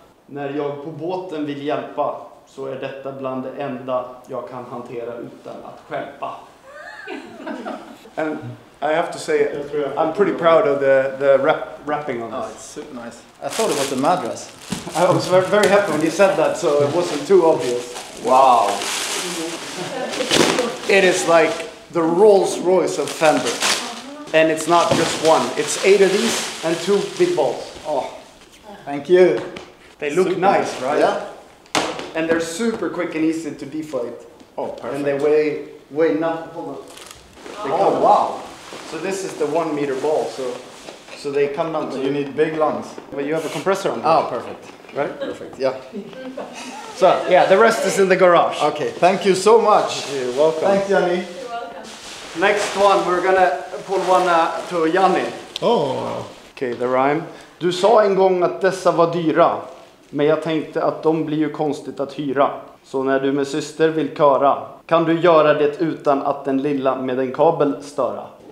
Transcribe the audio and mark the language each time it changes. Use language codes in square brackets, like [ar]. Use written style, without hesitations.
[sv] När jag på båten vill hjälpa, så är detta bland det enda jag kan hantera utan att skämpa. [en] And I have to say, I'm pretty proud of the wrapping on this. Oh, it's super nice. I thought it was a madras. I was very, very happy when you said that, so it wasn't too obvious. Wow. It is like the Rolls Royce of Fender. And it's not just one. It's 8 of these and 2 big balls. Oh, thank you. They look super nice, right? Yeah. And they're super quick and easy to deflate. Oh, perfect. And they weigh nothing. Hold on. Oh, wow. So this is the 1 meter ball. So they come down. You need big lungs. But you have a compressor on. Oh, perfect. Right? Perfect. Yeah. So yeah, the rest is in the garage. Okay. Thank you so much. You're welcome. Thanks, Yanni. You're welcome. Next one, we're gonna pull one to Yanni. Oh. Okay. The rhyme. [sv] Du sa en gång att dessa var dyra, men jag tänkte att de blir ju konstigt att hyra. Så när du med syster vill köra, kan du göra det utan att den lilla med en kabel störa?